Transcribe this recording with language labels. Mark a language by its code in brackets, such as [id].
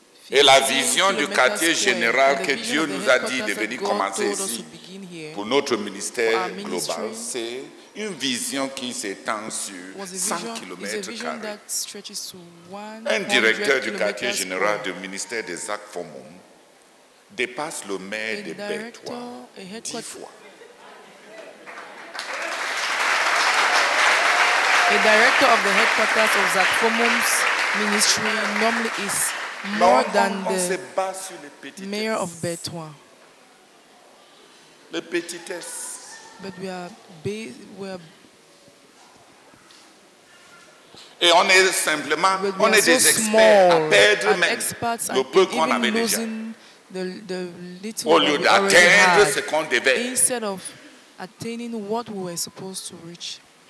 [fr] Et la vision du quartier général que Dieu nous a dit de venir commencer ici pour notre ministère global, c'est une vision qui s'étend sur 100 kilomètres carrés. Un directeur du quartier général du ministère des actes Fomum dépasse le maire de Betwa 10 fois. [en] A director of the headquarters of Zach Fomum's ministry normally is more than the mayor of Betwa. [fr] Les petites. [en] But we are [fr] Et on est simplement, on est des experts à perdre même le peu qu'on avait déjà. Au lieu d'atteindre ce qu'on devait. [en] Instead of attaining what we were supposed to reach.